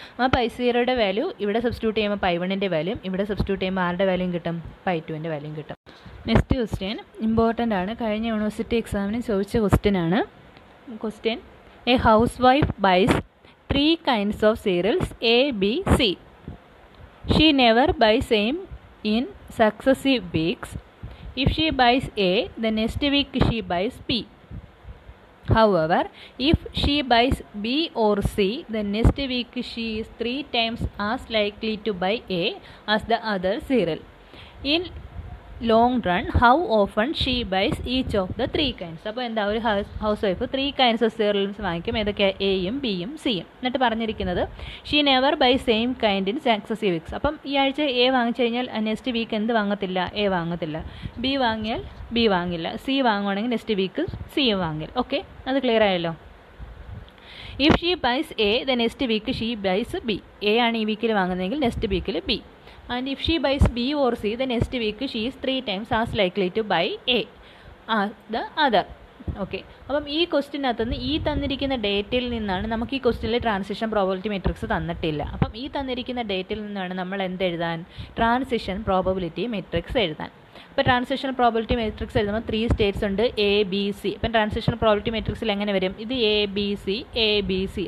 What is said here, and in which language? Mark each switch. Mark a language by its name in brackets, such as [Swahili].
[Malayalam] ആ pi സീറോയുടെ value ഇവിടെ സബ്സ്റ്റിറ്റ് ചെയ്യുമ്പോൾ പൈ വണ്ണിൻ്റെ വാല്യൂ, ഇവിടെ സബ്സ്റ്റിറ്റ് ചെയ്യുമ്പോൾ ആരുടെ വാല്യൂ കിട്ടും? പൈ ടുവിൻ്റെ വാല്യൂ കിട്ടും. നെക്സ്റ്റ് ക്വസ്റ്റ്യൻ ഇമ്പോർട്ടൻ്റ് ആണ്. കഴിഞ്ഞ യൂണിവേഴ്സിറ്റി എക്സാമിന് ചോദിച്ച ക്വസ്റ്റ്യൻ ആണ്. [English] Question: a housewife buys three kinds of cereals A B C. She never buy same in successive weeks. If she buys A, the next week she buys B. However, if she buys B or C, the next week she is three times as likely to buy A as the other cereal. In long run, how often she buys each of the three kinds? [Malayalam] അപ്പോൾ എന്താ, ഒരു house wife three kinds of serials വാങ്ങിക്കും. ഏതൊക്കെയാണ്? എയും ബിയും സിയും. എന്നിട്ട് പറഞ്ഞിരിക്കുന്നത് [English] She never buy same kind in successive weeks. [Malayalam] അപ്പം ഈ ആഴ്ച എ വാങ്ങിച്ചു കഴിഞ്ഞാൽ നെക്സ്റ്റ് വീക്ക് എന്ത് വാങ്ങത്തില്ല? എ വാങ്ങത്തില്ല. ബി വാങ്ങിയാൽ ബി വാങ്ങില്ല. സി വാങ്ങുകയാണെങ്കിൽ നെക്സ്റ്റ് വീക്ക് സിയും വാങ്ങില്ല. ഓക്കെ, അത് ക്ലിയർ ആയല്ലോ. [English] If she buys A, the next week she buys B. [Malayalam] A ആണ് ഈ വീക്കിൽ വാങ്ങുന്നതെങ്കിൽ നെക്സ്റ്റ് വീക്കിൽ B. [English] And if she buys B or C, the next week she is three times as likely to buy A as the other. Okay. [Malayalam] അപ്പം ഈ ക്വസ്റ്റ്യനകത്ത് നിന്ന് ഈ തന്നിരിക്കുന്ന ഡേറ്റയിൽ നിന്നാണ് നമുക്ക് ഈ ക്വസ്റ്റ്യനിൽ ട്രാൻസിഷൻ പ്രോബബിലിറ്റി മെട്രിക്സ് തന്നിട്ടില്ല. അപ്പം ഈ തന്നിരിക്കുന്ന ഡേറ്റയിൽ നിന്നാണ് നമ്മൾ എന്തെഴുതാൻ? ട്രാൻസിഷൻ പ്രോബബിലിറ്റി മെട്രിക്സ് എഴുതാൻ. അപ്പോൾ ട്രാൻസിഷൻ പ്രോബബിലിറ്റി മെട്രിക്സ് എഴുതുമ്പോൾ ത്രീ സ്റ്റേറ്റ്സ് ഉണ്ട്, എ ബി സി. അപ്പം ട്രാൻസിഷൻ പ്രോബബിലിറ്റി മെട്രിക്സിൽ എങ്ങനെ വരും? ഇത് A B C A B C.